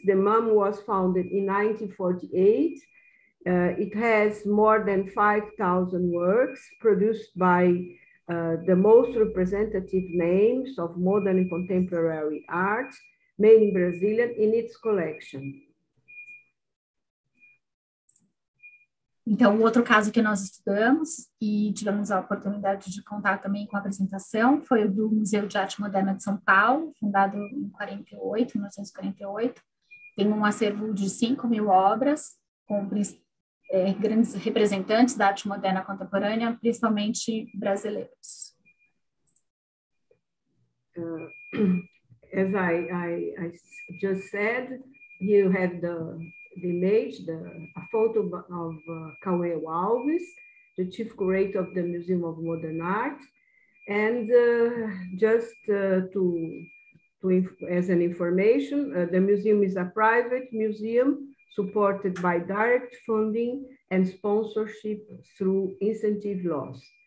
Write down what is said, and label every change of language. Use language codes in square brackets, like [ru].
[en] The MAM was founded in 1948. It has more than 5,000 works produced by the most representative names of modern and contemporary art, mainly Brazilian, in its collection. [pt] Então, o outro caso que nós estudamos e tivemos a oportunidade de contar também com a apresentação foi o do Museu de Arte Moderna de São Paulo, fundado em 1948. Tem um acervo de 5 mil obras com grandes representantes da arte moderna contemporânea, principalmente brasileiros. [en] As I just said, you have the image, a photo of Cauê Alves, the chief curator of the Museum of Modern Art. And as an information, the museum is a private museum supported by direct funding and sponsorship through incentive laws.